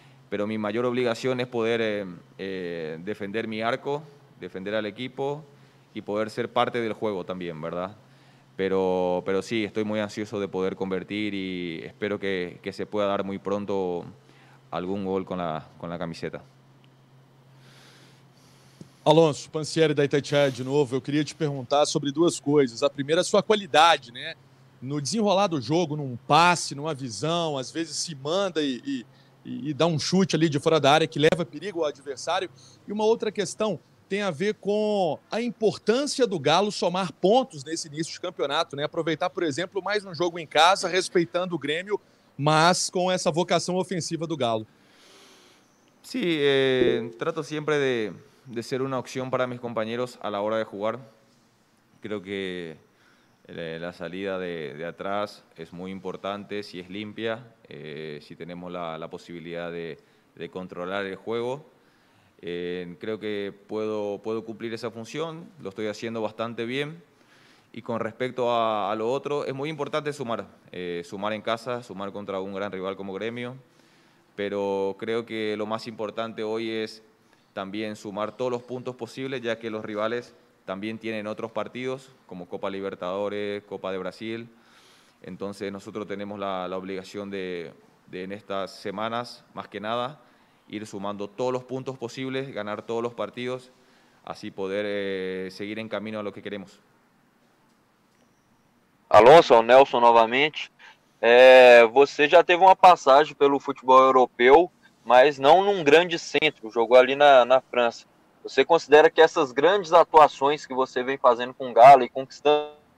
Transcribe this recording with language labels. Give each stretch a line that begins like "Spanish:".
Spanish: Pero mi mayor obligación es poder defender mi arco, defender al equipo y poder ser parte del juego también, ¿verdad? Pero sí, estoy muy ansioso de poder convertir y espero que se pueda dar muy pronto algún gol con la camiseta.
Portuguese: Alonso, Pancieri da Itatiaia de novo. Eu queria te perguntar sobre duas coisas. A primeira, sua qualidade, né? No desenrolar do jogo, num passe, numa visão, às vezes se manda e dá um chute ali de fora da área que leva perigo ao adversário. E uma outra questão tem a ver com a importância do Galo somar pontos nesse início de campeonato, né? Aproveitar, por exemplo, mais um jogo em casa, respeitando o Grêmio, mas com essa vocação ofensiva do Galo.
Spanish: Sim, trato sempre de ser una opción para mis compañeros a la hora de jugar. Creo que la salida de atrás es muy importante, si es limpia, si tenemos la posibilidad de controlar el juego. Creo que puedo cumplir esa función, lo estoy haciendo bastante bien. Y con respecto a lo otro, es muy importante sumar, sumar en casa, sumar contra un gran rival como Grêmio. Pero creo que lo más importante hoy es también sumar todos los puntos posibles, ya que los rivales también tienen otros partidos, como Copa Libertadores, Copa de Brasil. Entonces nosotros tenemos la obligación de en estas semanas, más que nada, ir sumando todos los puntos posibles, ganar todos los partidos, así poder seguir en camino a lo que queremos. Alonso, Nelson nuevamente.
Portuguese: Você já teve uma passagem pelo futebol europeu, mas não num grande centro, jogou ali na França. Você considera que essas grandes atuações que você vem fazendo com o Galo e conquistando...